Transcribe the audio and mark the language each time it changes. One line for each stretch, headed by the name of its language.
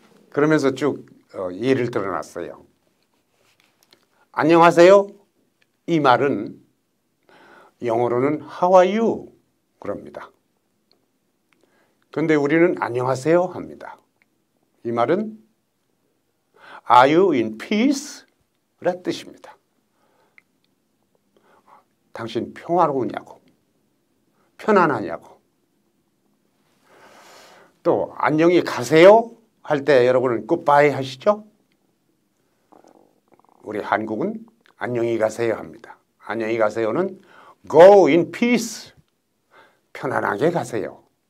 Korean: 그러면서 쭉 예를 들어놨어요. 안녕하세요. 이 말은 영어로는
English: How are you?
Korean: 그럽니다. 그런데 우리는 안녕하세요 합니다. 이 말은
English: Are you in peace?
Korean: 라는 뜻입니다. 당신 평화로우냐고, 편안하냐고. 또 안녕히 가세요 할 때 여러분은 굿바이 하시죠? 우리 한국은 안녕히 가세요 합니다. 안녕히 가세요는
English: go in peace,
Korean: 편안하게 가세요.